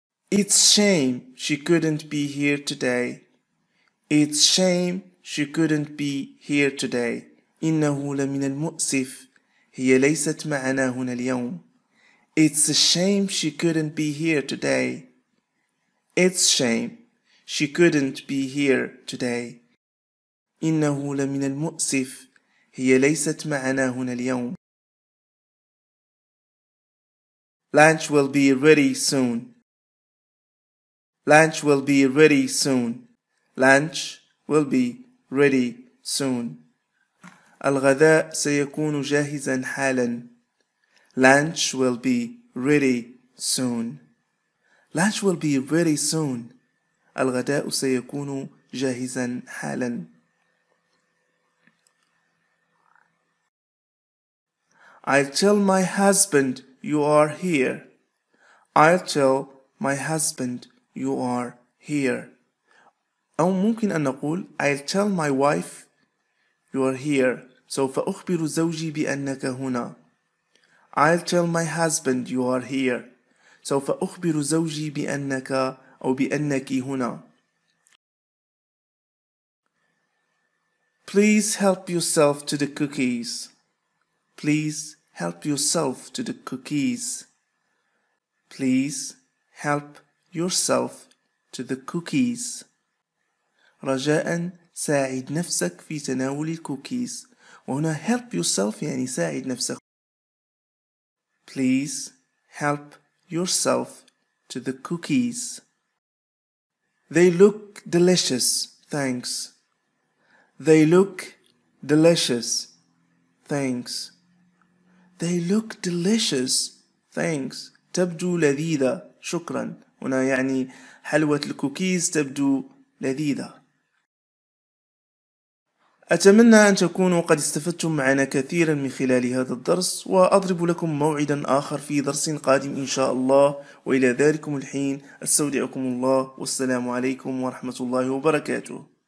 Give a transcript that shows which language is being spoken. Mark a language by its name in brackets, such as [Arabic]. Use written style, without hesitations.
[English] It's shame she couldn't be here today. It's shame she couldn't be here today. [Arabic] إنه لمن المؤسف هي ليست معنا هنا اليوم. [English] It's a shame she couldn't be here today. It's shame she couldn't be here today. [Arabic] إنه لمن المؤسف هي ليست معنا هنا اليوم. [English] Lunch will be ready soon. Lunch will be ready soon. Lunch will be ready soon. [Arabic] الغداء سيكون جاهزا حالا. [English] Lunch will be ready soon. Lunch will be ready soon. [Arabic] الغداء سيكون جاهزا حالا. [English] I'll tell my husband you are here. I'll tell my husband you are here. [Arabic] أو ممكن أن نقول [English] I'll tell my wife you are here. [Arabic] سوف أخبر زوجي بأنك هنا. [English] I'll tell my husband you are here. [Arabic] سوف أخبر زوجي بأنك أو بأنك هنا. [English] Please help yourself to the cookies. Please help yourself to the cookies. Please help yourself to the cookies. [Arabic] رجاء ساعد نفسك في تناول الكوكيز. وهنا [English] help yourself [Arabic] يعني ساعد نفسك. [English] Please help yourself to the cookies. They look delicious, thanks. They look delicious, thanks. They look delicious, thanks. [Arabic] تبدو لذيذة, شكرا. هنا يعني حلوة الكوكيز تبدو لذيذة. أتمنى أن تكونوا قد استفدتم معنا كثيرا من خلال هذا الدرس, وأضرب لكم موعدا آخر في درس قادم إن شاء الله. وإلى ذلك الحين أستودعكم الله, والسلام عليكم ورحمة الله وبركاته.